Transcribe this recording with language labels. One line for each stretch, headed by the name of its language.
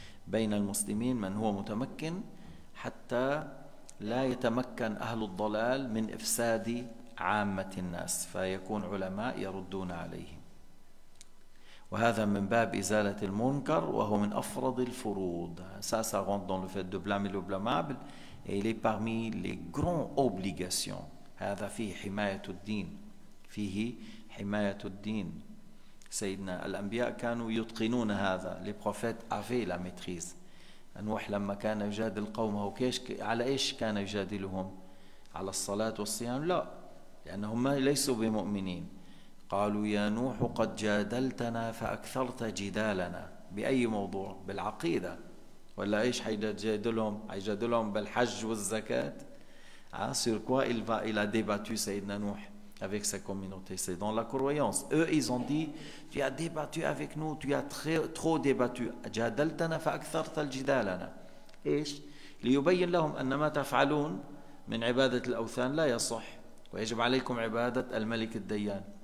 Arabic: بين المسلمين من هو متمكن حتى لا يتمكن أهل الضلال من إفساد عامة الناس فيكون علماء يردون عليهم وهذا من باب إزالة المنكر وهو من أفرض الفروض.
French: ça rentre dans le fait de blâmer le blâmable et il est parmi les grandes obligations.
Arabic: هذا فيه حماية الدين. فيه حماية الدين. سيدنا الأنبياء كانوا يتقنون هذا.
French: les prophètes avaient la maîtrise.
Arabic: نوح لما كان يجادل قومه كيش على إيش كان يجادلهم؟ على الصلاة والصيام؟ لا. لأنهم ليسوا بمؤمنين. قالوا يا نوح قد جادلتنا فأكثرت جدالنا بأي موضوع بالعقيدة ولا إيش حيجادلهم حيجادلهم بالحج والزكاة
French: sur quoi il a débattu
Arabic: سيدنا نوح
French: avec sa communauté c'est dans la croyance eux ils ont dit tu as débattu avec nous tu as trop débattu
Arabic: جادلتنا فأكثرت الجدالنا إيش ليبين لهم أن ما تفعلون من عبادة الأوثان لا يصح ويجب عليكم عبادة الملك الديان